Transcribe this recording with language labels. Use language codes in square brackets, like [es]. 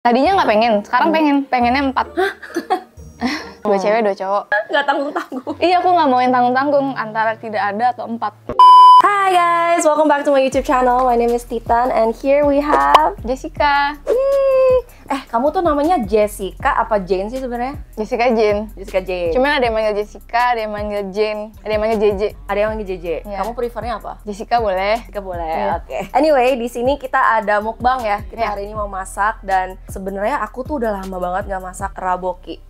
[id] Tadinya nggak pengen, sekarang pengen. Pengennya 4. Dua cewek, dua cowok. Nggak tanggung-tanggung. Iya, aku nggak mau yang tanggung-tanggung. Antara tidak ada atau 4. [en] Hi guys, welcome back to my YouTube channel. My name is Titan and here we have Jessica. Yeay. [id] Eh, kamu tuh namanya Jessica apa Jane sih sebenarnya? Jessica Jane. Jessica Jane. Cuman ada yang manggil Jessica, ada yang manggil Jane, ada yang manggil JJ. Ada yang manggil JJ. Yeah. Kamu prefernya apa? Jessica boleh. Jessica boleh. Yeah. Oke. Okay. Anyway, di sini kita ada mukbang ya. Kita hari ini mau masak dan sebenarnya aku tuh udah lama banget enggak masak raboki.